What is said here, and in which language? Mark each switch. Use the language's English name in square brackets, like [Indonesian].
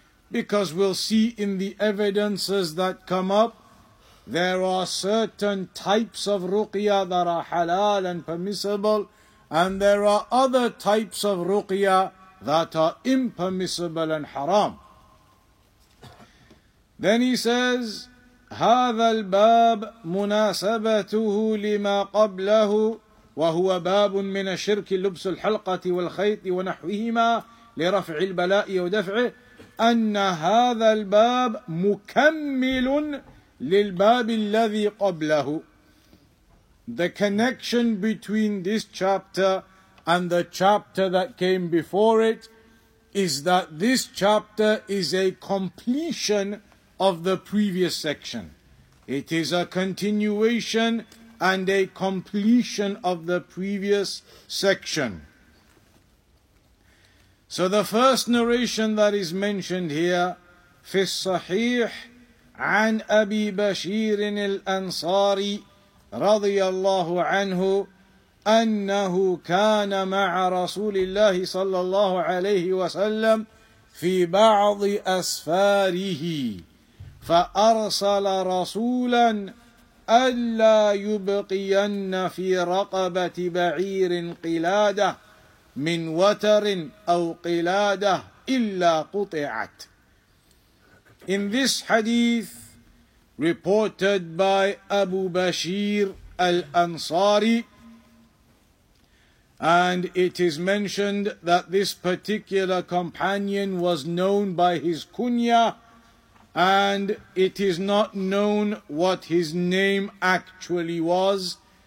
[English] Because we'll see in the evidences that come up, there are certain types of ruqya that are halal and permissible, and there are other types of ruqya that are impermissible and haram. Then he says, [Arabic] هذا الباب مناسبته لما قبله وهو باب من الشرك لبس الحلقة والخيط ونحوهما لرفع البلاء ودفعه أن هذا الباب مكمل للباب الذي قبله. [English] The connection between this chapter and the chapter that came before it is that this chapter is a completion of the previous section. It is a continuation and a completion of the previous section. So the first narration that is mentioned here, [Arabic] في الصحيح عن أبي بشير الأنصاري رضي الله عنه أنه كان مع رسول الله صلى الله عليه وسلم في بعض أسفاره فأرسل رسولا ألا يبقين في رقبة بعير قلادة من وتر أو قلادة إلا قطعت. [English] In this hadith reported by Abu Bashir al-Ansari, and it is mentioned that this particular companion was known by his kunya, and it is not known what his name actually was.